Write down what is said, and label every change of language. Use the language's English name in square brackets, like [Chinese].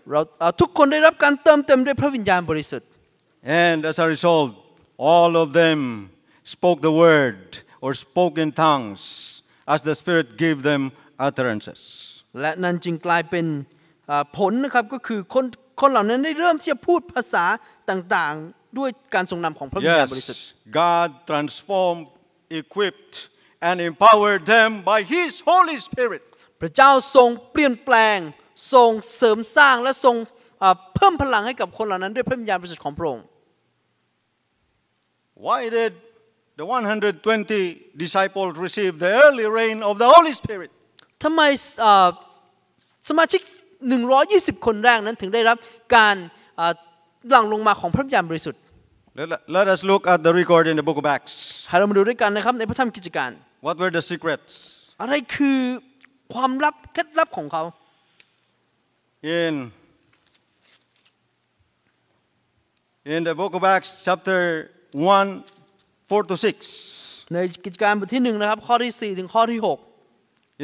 [Thai] เราทุกคนได้รับการเติมเต็มด้วยพระวิญญาณบริสุทธิ์ [English] and as a result all of them spoke the word or spoke in tongues as the spirit gave them utterances [Thai] และนั่นจึงกลายเป็นผลนะครับก็คือคนเหล่านั้นได้เริ่มที่จะพูดภาษาต่างๆด้วยการทรงนำของพระวิญญาณบริสุทธิ์ [English] God transformed equipped and empowered them by his holy spirit [Thai] พระเจ้าทรงเปลี่ยนแปลงทรงเสริมสร้างและทรงเพิ่มพลังให้กับคนเหล่านั้นด้วยพระวิญญาณบริสุทธิ์ของพระองค์ [English] Why did the 120 disciples receive the early rain of the holy spirit [Thai] ทำไมสมาชิก120คนแรกนั้นถึงได้รับการหลังลงมาของพระวิญญาณบริสุทธิ์ [English] Let us look at the record in the book of Acts [Thai] ให้เรามาดูด้วยกันนะครับในพระธรรมกิจการ [English] What were the secrets [Thai] อะไรคือความลับเคล็ดลับของเขา [English] In In the book of Acts chapter 1 4 to 6. [Thai] ในกิจการบทที่1นะครับข้อที่4ถึงข้อที่6